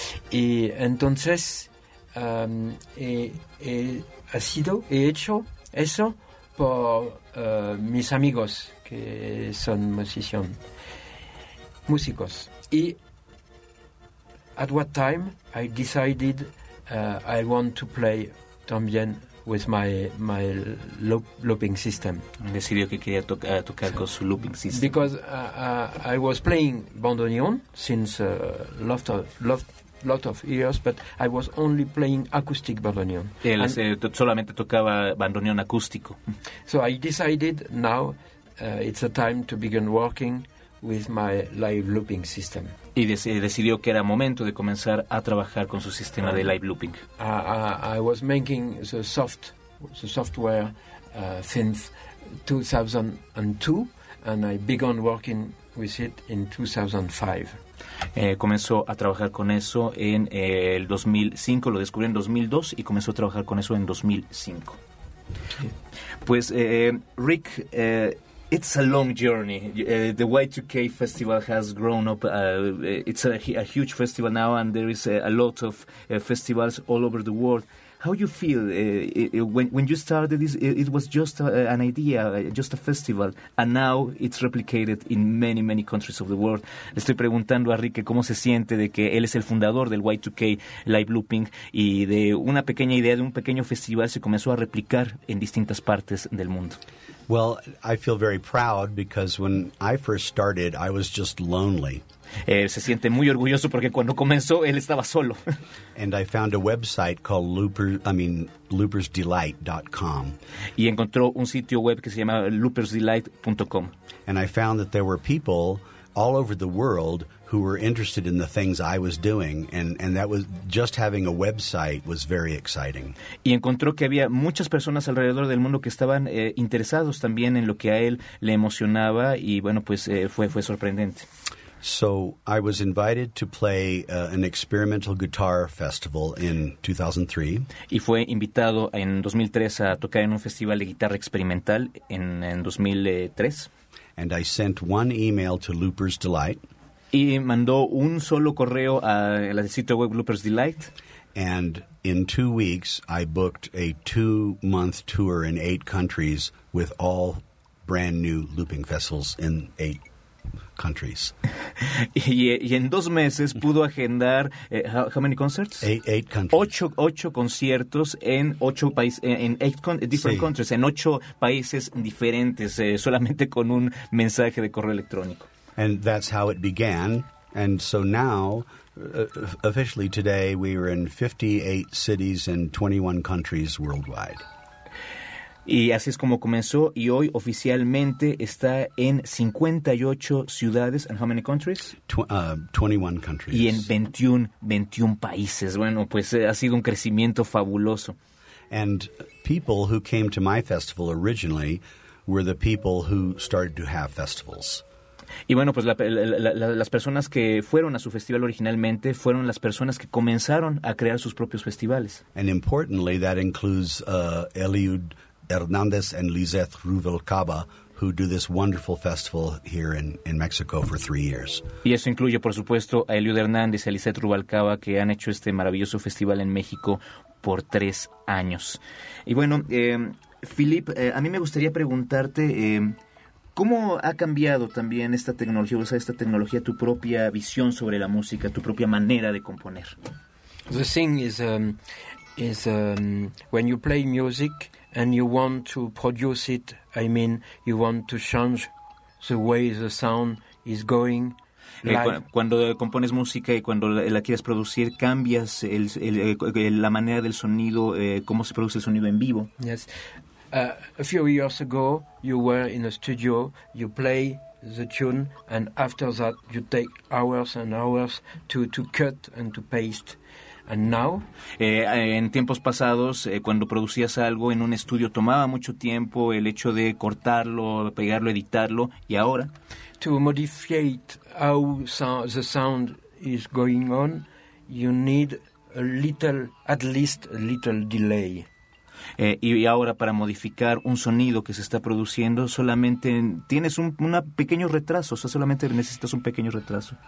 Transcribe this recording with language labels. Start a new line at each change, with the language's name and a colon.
Spanish: Y entonces he hecho eso por mis amigos que son músicos.
English: Y at what time I decided I want to play
Spanish: también
English: with my looping system.
Spanish: Decidió que quería tocar con su looping system.
English: Because I was playing bandoneon since a lot of years, but I was only playing acoustic bandoneon.
Spanish: Él solamente tocaba bandoneon acústico.
English: So I decided now it's a time to begin working with my live looping system.
Spanish: Y decidió que era momento de comenzar a trabajar con su sistema de live looping.
English: I was making the software since 2002, and I began working with it in 2005.
Spanish: Comenzó a trabajar con eso en el 2005, lo descubrió en 2002 y comenzó a trabajar con eso en 2005.
English: Okay. Pues, Rick, it's a long journey. The Y2K festival has grown up. It's a huge festival now, and there is a lot of festivals all over the world. How you feel when you started this? It was just an idea, just a festival, and now it's replicated in many, many countries of the world.
Spanish: Le estoy preguntando a Rick cómo se siente de que él es el fundador del Y2K Live Looping y de una pequeña idea de un pequeño festival se comenzó a replicar en distintas partes del mundo.
English: Well, I feel very proud because when I first started, I was just lonely.
Spanish: Se siente muy orgulloso porque cuando comenzó, él estaba solo.
English: And I found a website called loopersdelight.com.
Spanish: Y encontró un sitio web que se llama loopersdelight.com.
English: And I found that there were people all over the world who were interested in the things I was doing, and that was just having a website was very exciting.
Spanish: Y encontró que había muchas personas alrededor del mundo que estaban interesados también en lo que a él le emocionaba, y bueno, pues fue sorprendente.
English: So I was invited to play an experimental guitar festival in 2003.
Spanish: Y fue invitado en 2003 a tocar en un festival de guitarra experimental en 2003.
English: And I sent one email to Looper's Delight.
Spanish: Y mandó un solo correo al sitio web Looper's Delight.
English: And in 2 weeks, I booked a 2-month tour in 8 countries with all brand new looping festivals in 8 countries.
Spanish: Y en 2 meses pudo agendar
English: how many concerts? 8 countries.
Spanish: Ocho conciertos en 8 países en
English: 8 different
Spanish: sí. countries, en 8 países diferentes, solamente con un mensaje de correo electrónico.
English: And that's how it began. And so now officially today we are in 58 cities and 21 countries worldwide.
Spanish: Y así es como comenzó, y hoy oficialmente está en 58 ciudades,
English: and how many countries? 21 countries.
Spanish: Y en 21 países. Bueno, pues ha sido un crecimiento fabuloso.
English: And people who came to my festival originally were the people who started to have festivals.
Spanish: Y bueno, pues las personas que fueron a su festival originalmente fueron las personas que comenzaron a crear sus propios festivales.
English: And importantly, that includes Eliud Hernández and Lizeth Rubalcaba, who do this wonderful festival here in Mexico for 3 years.
Spanish: Y eso incluye, por supuesto, a Eliud Hernández y a Lizeth Rubalcaba, que han hecho este maravilloso festival en México por 3 años. Y bueno, Philippe, a mí me gustaría preguntarte, ¿Cómo ha cambiado también esta tecnología, o sea, esta tecnología, tu propia visión sobre la música, tu propia manera de componer?
English: The thing is when you play music and you want to produce it, I mean, you want to change the way the sound is going.
Spanish: Cuando compones música y cuando la quieres producir, cambias la manera del sonido, cómo se produce el sonido en vivo.
English: Yes. A few years ago, you were in a studio, you play the tune, and after that, you take hours and hours to cut and to paste. And now,
Spanish: En tiempos pasados, cuando producías algo en un estudio, tomaba mucho tiempo el hecho de cortarlo, pegarlo, editarlo. Y ahora,
English: to modify how the sound is going on, you need at least a little delay.
Spanish: Y ahora, para modificar un sonido que se está produciendo, solamente tienes un pequeño retraso, o sea, solamente necesitas un pequeño retraso.